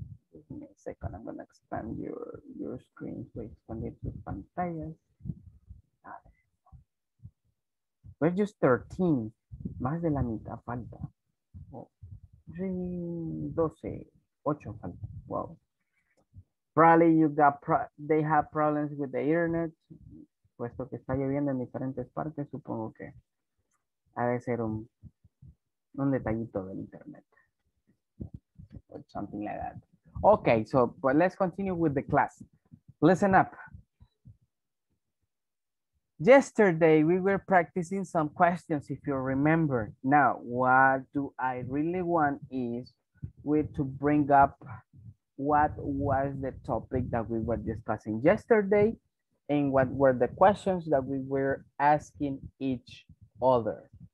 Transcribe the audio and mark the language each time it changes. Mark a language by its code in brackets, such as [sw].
[en] Give me a second, I'm gonna expand your screen to expand it to pantallas. We're just 13. [es] Más de la mitad falta. Oh, 12, 8 falta. Wow. [en] Probably you got they have problems with the internet. [es] Puesto que está lloviendo en diferentes partes, supongo que ha de ser un detallito del internet. [en] Or something like that. Okay, so but let's continue with the class. Listen up. Yesterday, we were practicing some questions, if you remember. Now, what do I really want is we to bring up what was the topic that we were discussing yesterday and what were the questions that we were asking each other.